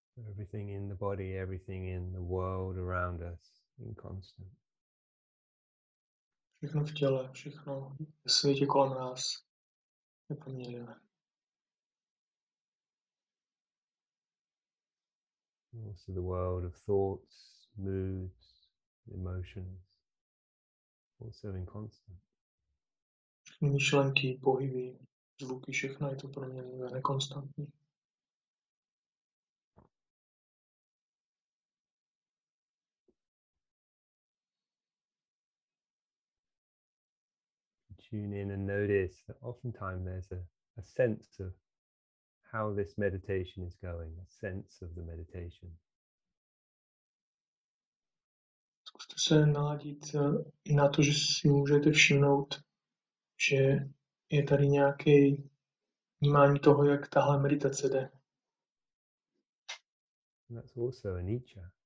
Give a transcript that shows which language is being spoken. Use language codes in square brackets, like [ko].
[en] Everything in the body, everything in the world around us, inconstant. [cs] Všechno v těle, všechno ve světě kolem nás je proměnlivé. [en] Also the world of thoughts, moods, emotions, also inconstant. [cs] Všechny myšlenky, pohyby, zvuky, všechno je to proměnlivé, nekonstantní. [en] Tune in and notice that oftentimes there's a sense of how this meditation is going, a sense of the meditation. [cs] Zkuste se naladit i na to, že si můžete všimnout, že je tady nějaké vnímání toho, jak tahle meditace jde. [en] And that's also a Nietzsche.